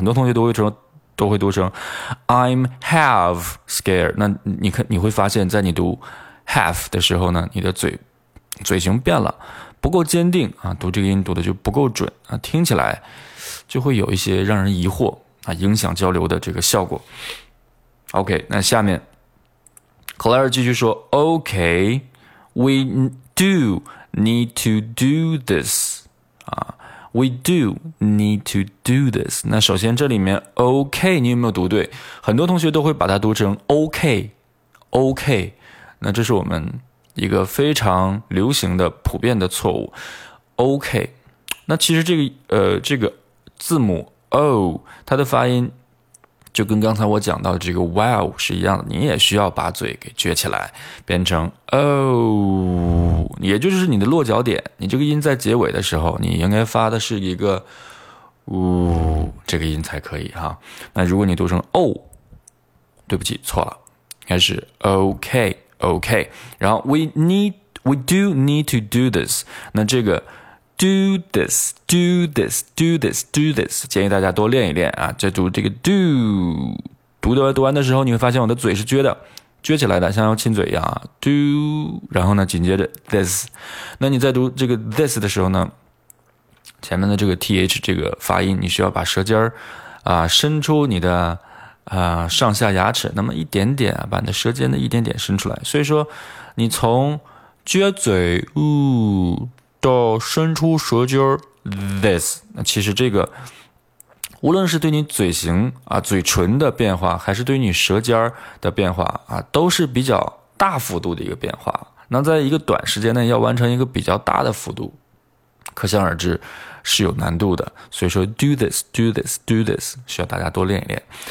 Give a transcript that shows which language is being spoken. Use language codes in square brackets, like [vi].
[zh] 很多同学都会读成 [en] I'm half scared， [zh] 那你会发现在你读 half 的时候呢，你的嘴型变了，不够坚定啊，读这个音读的就不够准啊，听起来就会有一些让人疑惑啊，影响交流的这个效果。 [en] OK， [zh] 那下面 [en] Claire [zh] 继续说 [en] OK we doNeed to do this. We do need to do this. [zh] 那首先这里面 OK 你有没有读对，很多同学都会把它读成 OK OK， 那这是我们一个非常流行的普遍的错误。 OK， 那其实这个字母 O 它的发音就跟刚才我讲到的这个 wow 是一样的，你也需要把嘴给撅起来变成 oh， 也就是你的落脚点，你这个音在结尾的时候你应该发的是一个 oh 这个音才可以哈。那如果你读成 oh， 对不起错了，应该是 ok ok， 然后 [en] we do need to do this， [zh] 那这个 [en] Do this, do this, do this, do this. [zh] 建议大家多练一练啊，就读这个 do， 读完的时候，你会发现我的嘴是撅的，撅起来的，像要亲嘴一样啊。 Do， 然后呢，紧接着 this， 那你在读这个 this 的时候呢，前面的这个 th 这个发音，你需要把舌尖伸出你的上下牙齿，那么一点点啊，把你的舌尖的一点点伸出来。所以说，你从撅嘴，到伸出舌尖 this， 那其实这个无论是对你嘴型啊、嘴唇的变化，还是对你舌尖的变化啊，都是比较大幅度的一个变化。那在一个短时间内要完成一个比较大的幅度，可想而知是有难度的。所以说 [en] do this do this do this [zh] 需要大家多练一练。